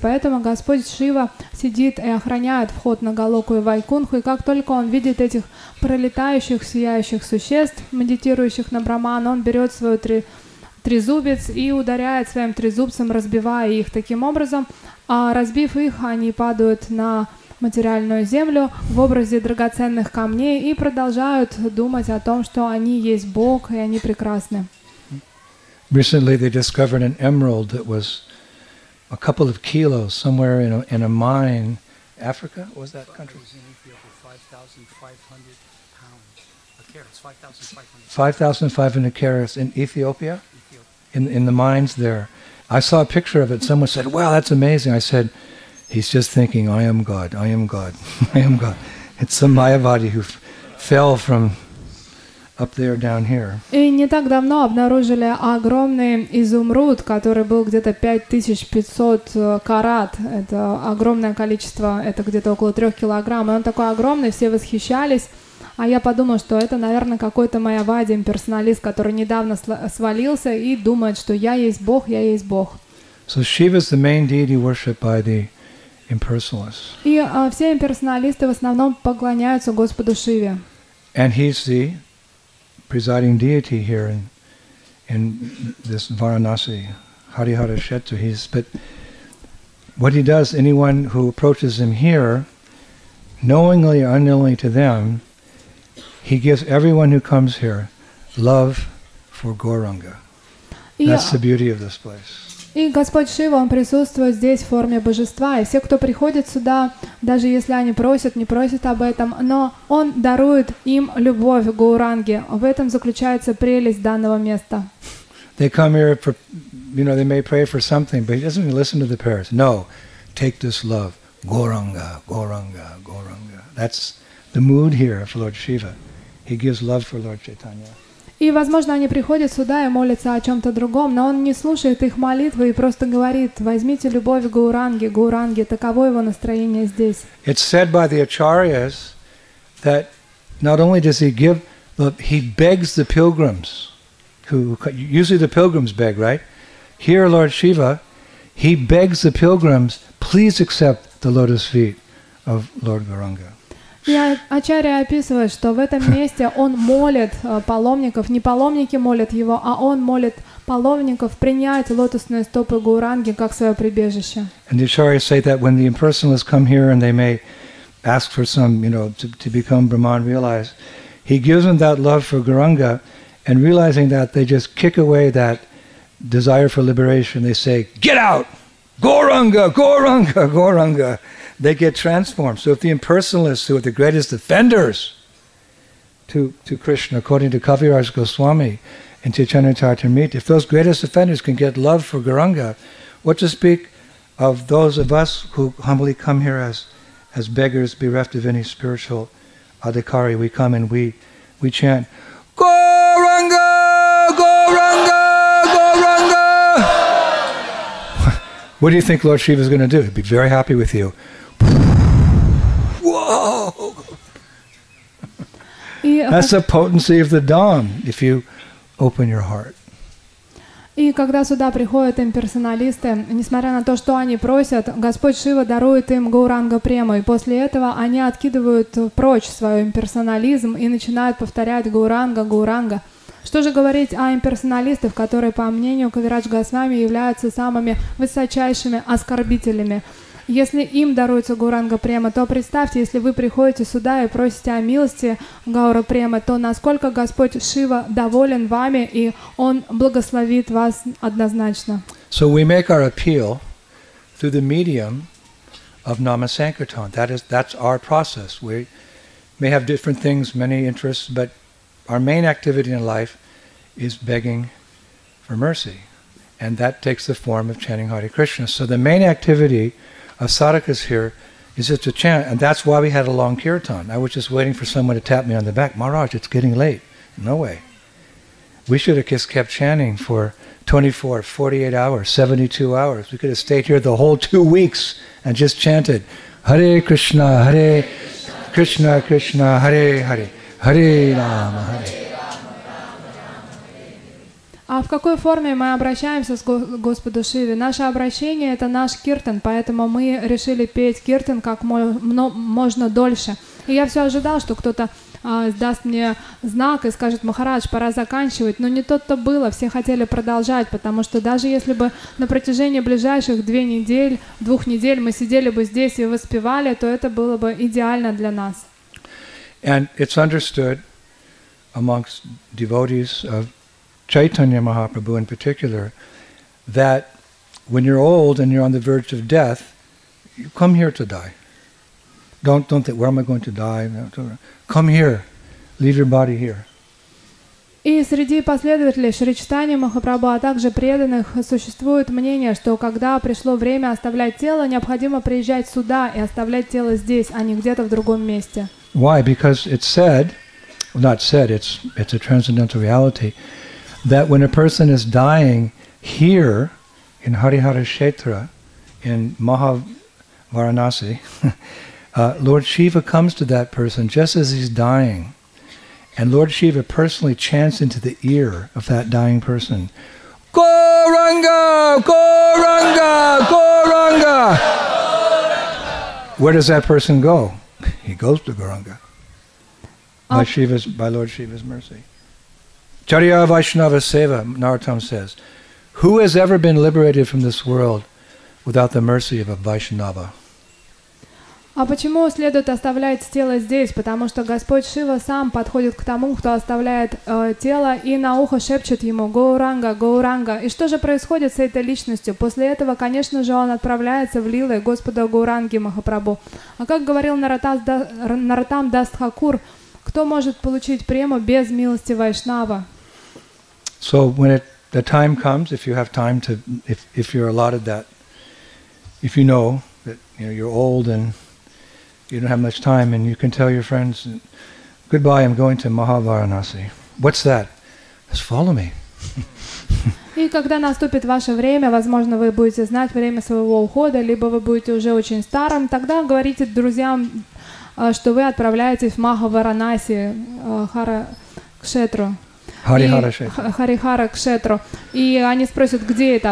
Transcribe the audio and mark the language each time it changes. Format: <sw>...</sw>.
<ru>Поэтому Господь Шива сидит и охраняет вход на Голоку и Вайкунху, и как только он видит этих пролетающих сияющих существ, медитирующих на Брахмана, он берет свою трезубец и ударяет своим трезубцем, разбивая их таким образом. А разбив их, они падают на материальную землю в образе драгоценных камней и продолжают думать о том, что они есть Бог и они прекрасны.</ru> <en>Recently they discovered an emerald that was a couple of kilos somewhere in a mine, Africa. Was that country? It was in Ethiopia, 5,500 pounds. A carat, 5,500. 5,500 carats in Ethiopia, in the mines there. I saw a picture of it. Someone said, "Wow, that's amazing." I said, "He's just thinking, I am God. I am God. I am God." It's some Mayavadi who fell from up there down here.</en> <ru>И не так давно обнаружили огромный изумруд, который был где-то 5500 карат. Это огромное количество. Это где-то около 3 килограмм. И он такой огромный, все восхищались. А я подумал, что это, наверное, какой-то Майявади имперсоналист, который недавно свалился и думает, что я есть Бог, я есть Бог.</ru> <en>So Shiva is the main deity worshipped by the impersonalists.</en> <ru>И все имперсоналисты в основном поклоняются Господу Шиве.</ru> <en>And he's the presiding deity here in this Varanasi, Harihara Kshetra. But what he does, anyone who approaches him here, knowingly or unknowingly to them, he gives everyone who comes here love for Gauranga. That's the beauty of this place.</en> <ru>И Господь Шива, Он присутствует здесь в форме божества, и все, кто приходит сюда, даже если они просят, не просят об этом, но Он дарует им любовь Гауранги. В этом заключается прелесть данного места.</ru> <en>They come here for, you know, they may pray for something, but he doesn't even listen to the prayers. No, take this love, Gauranga, Gauranga, Gauranga. That's the mood here for Lord Shiva. He gives love for Lord Chaitanya.</en> <ru>И, возможно, они приходят сюда и молятся о чем-то другом, но он не слушает их молитвы и просто говорит: возьмите любовь Гауранги, Гауранги. Таково его настроение здесь.</ru> <en>It's said by the acharyas that not only does he give love, he begs the pilgrims. Who usually the pilgrims beg, right? Here, Lord Shiva, he begs the pilgrims, please accept the lotus feet of Lord Gauranga.</en> <ru>И Ачарья описывает, что в этом месте он молит паломников, не паломники молят его, а он молит паломников принять лотосные стопы Гауранги как свое прибежище.</ru> <en>And the Acharyas say that when the impersonalists come here and they may ask for some, you know, to become Brahman realized, he gives them that love for Gauranga, and realizing that, they just kick away that desire for liberation. They say, get out! Gauranga, Gauranga, Gauranga! They get transformed. So if the impersonalists, who are the greatest offenders to Krishna, according to Kaviraj Goswami and to Chaitanya Charitamrita, if those greatest offenders can get love for Gauranga, what to speak of those of us who humbly come here as beggars bereft of any spiritual adhikari? We come and we chant, Gauranga, Gauranga, Gauranga! What do you think Lord Shiva is going to do? He'd be very happy with you. Whoa! That's the potency of the Dham, if you open your heart.</en> <ru>И когда сюда приходят им персоналисты, несмотря на то, что они просят, Господь Шива дарует им Гауранга Прему. И после этого они откидывают прочь свой имперсонализм и начинают повторять Гауранга, Гауранга. Что же говорить о имперсоналистах, которые, по мнению Кавирадж Госвами, являются самыми высочайшими оскорбителями? Если им даруется Гауранга Према, то представьте, если вы приходите сюда и просите о милости Гаура Према, то насколько Господь Шива доволен вами, и Он благословит вас однозначно.</ru> <en>So we make our appeal through the medium of Nama Sankirtan. That's our process. We may have different things, many interests, but our main activity in life is begging for mercy. And that takes the form of chanting Hare Krishna. So the main activity of sadhakas here is just to chant, and that's why we had a long kirtan. I was just waiting for someone to tap me on the back. Maharaj, it's getting late. No way. We should have just kept chanting for 24, 48 hours, 72 hours. We could have stayed here the whole 2 weeks and just chanted, Hare Krishna, Hare Krishna, Krishna, Hare Hare, Hare Rama, Hare.</en> <ru>А в какой форме мы обращаемся к Господу Шиве? Наше обращение — это наш киртан, поэтому мы решили петь киртан как можно дольше. И я все ожидал, что кто-то даст мне знак и скажет, «Махарадж, пора заканчивать». Но не то-то было, все хотели продолжать, потому что даже если бы на протяжении ближайших двух недель мы сидели бы здесь и воспевали, то это было бы идеально для нас.</ru> <en>And it's understood amongst devotees of Chaitanya Mahaprabhu in particular, that when you're old and you're on the verge of death, you come here to die. Don't think, where am I going to die? Come here. Leave your body here.</en> <ru>И среди последователей Шри Чайтаньи Махапрабху, а также преданных, существует мнение, что когда пришло время оставлять тело, необходимо приезжать сюда и оставлять тело здесь, а не где-то в другом месте.</ru> <en>Why? Because it's a transcendental reality, that when a person is dying here in Harihara Kshetra, in Mahavaranasi, Lord Shiva comes to that person just as he's dying. And Lord Shiva personally chants into the ear of that dying person, Gauranga! Gauranga! Gauranga! Where does that person go? He goes to Gauranga. By Lord Shiva's mercy. Charya Vaishnava Seva, Narottam says, who has ever been liberated from this world without the mercy of a Vaishnava?</en> <ru>А почему следует оставлять тело здесь? Потому что Господь Шива сам подходит к тому, кто оставляет тело, и на ухо шепчет ему «Гауранга, Гауранга». И что же происходит с этой личностью? После этого, конечно же, он отправляется в лилы Господа Гауранги Махапрабху. А как говорил Нараттам Дас Тхакур, кто может получить прему без милости Вайшнава?</ru> <en>So when the time comes, if you have time to, if you're allotted that, if you know that you're old and you don't have much time, and you can tell your friends, goodbye, I'm going to Mahavaranasi. What's that? Just follow me.</en> <ru>И когда наступит ваше время, возможно, вы будете знать время своего ухода, либо вы будете уже очень старым, тогда говорите друзьям, что вы отправляетесь в Махаваранаси, Харикшетру. Харихара Кшетру. И они спросят, где это?</ru>